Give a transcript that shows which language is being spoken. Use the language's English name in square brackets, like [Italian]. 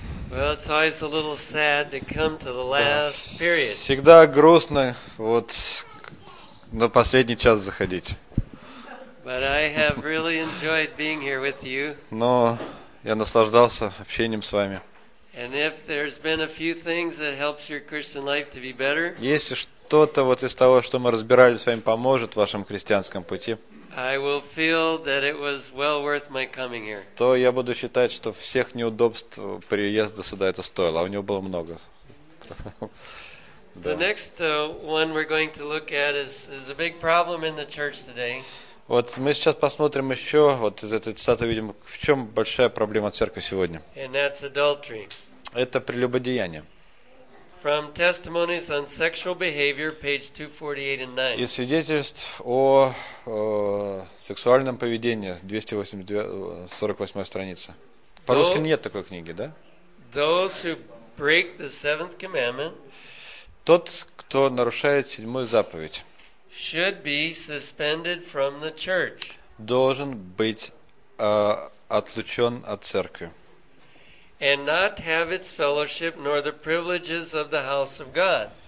[English] Well, it's always a little sad to come to the last period. [Russian] Всегда грустно вот на последний час заходить. [English] But I have really enjoyed being here with you. [Russian] Но я наслаждался общением с вами. [English] And if there's been a few things that helps your Christian life to be better. [Russian] Если что-то вот из того, что мы разбирали с вами, поможет в вашем христианском пути. [English] I will feel that it was well worth my coming here. [Russian] То я буду считать, что всех неудобств приезда сюда это стоило, а у него было много. [English] The next one we're going to look at is a big problem in the church today. [Russian] Вот мы сейчас посмотрим еще, вот из этой цитаты видим, в чем большая проблема церкви сегодня. [English] And that's adultery. [Russian] Это прелюбодеяние. [English] From Testimonies on Sexual Behavior, page 248 and 9. [Russian] Из свидетельств о сексуальном поведении, 248 страница. По-русски нет такой книги, да? [English] Those who break the seventh commandment. [Russian] Тот, кто нарушает седьмую заповедь. [English] Should be suspended from the church. [Russian] Должен быть отлучен от церкви. [English] And not have its fellowship nor the privileges of the house of God.